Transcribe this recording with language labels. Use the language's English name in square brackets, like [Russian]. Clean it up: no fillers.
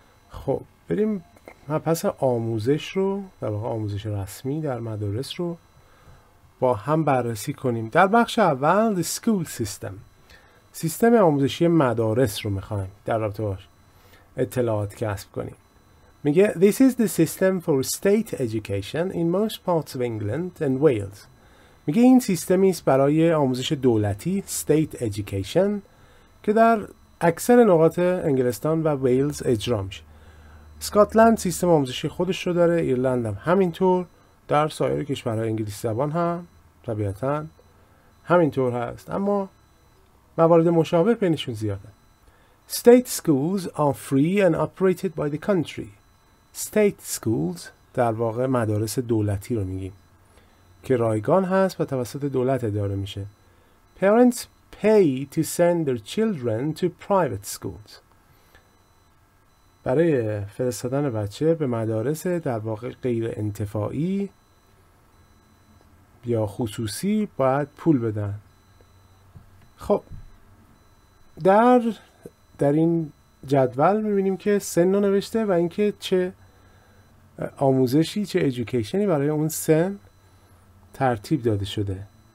[Persian] خب بریم مبحث آموزش رو، در واقع آموزش رسمی در مدارس رو با هم بررسی کنیم. در بخش اول [English] The School System، [Persian] سیستم آموزشی مدارس رو میخوایم در رابطه باش اطلاعات کسب کنیم. [English] میگه This is the system for state education in most parts of England and Wales. [Persian] میگه این سیستمی است برای آموزش دولتی state education که در اکثر نقاط انگلستان و ویلز اجرا میشه. اسکاتلند سیستم آموزشی خودش رو داره، ایرلند هم همینطور، در سایر کشورهای انگلیسی زبان هم طبیعتاً همینطور هست، اما موارد مشابه بینشون زیاده. [English] State schools are free and operated by the country. [Persian] State schools در واقع مدارس دولتی رو میگیم که رایگان هست و توسط دولت اداره میشه. [English] Parents pay to send their children to private schools. [Persian] برای فرستادن بچه به مدارس در واقع غیر انتفاعی یا خصوصی باید پول بدن. خب در این جدول میبینیم که سن رو نوشته و اینکه چه آموزشی، چه ایژوکیشنی برای اون سن ترتیب داده شده.